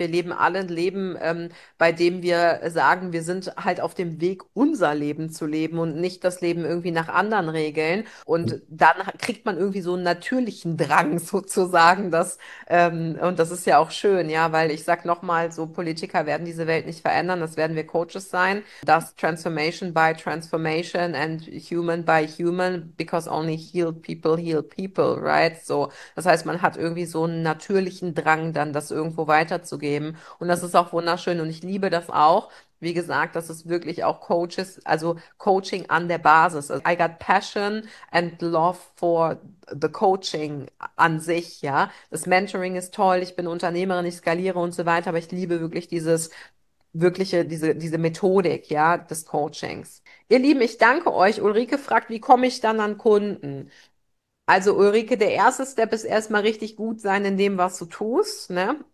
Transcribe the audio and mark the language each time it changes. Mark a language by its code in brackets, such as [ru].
[de] Und wir leben alle ein Leben, bei dem wir sagen, wir sind halt auf dem Weg, unser Leben zu leben und nicht das Leben irgendwie nach anderen Regeln. Und dann kriegt man irgendwie so einen natürlichen Drang sozusagen, das, und das ist ja auch schön, ja, weil ich sag nochmal, so Politiker werden diese Welt nicht verändern, das werden wir Coaches sein. [en] Das Transformation by Transformation and Human by Human, because only healed people heal people, right? [de] So, das heißt, man hat irgendwie so einen natürlichen Drang, dann das irgendwo weiterzugeben. Und das ist auch wunderschön. Und ich liebe das auch. Wie gesagt, das ist wirklich auch Coaches, also Coaching an der Basis. [en] Also, I got passion and love for the coaching [de] an sich, [en] ja. [de] Das Mentoring ist toll. Ich bin Unternehmerin, ich skaliere und so weiter. Aber ich liebe wirklich dieses wirkliche, diese Methodik, ja, des Coachings. Ihr Lieben, ich danke euch. Ulrike fragt, wie komme ich dann an Kunden? Also Ulrike, der erste Step ist erstmal richtig gut sein in dem, was du tust, ne?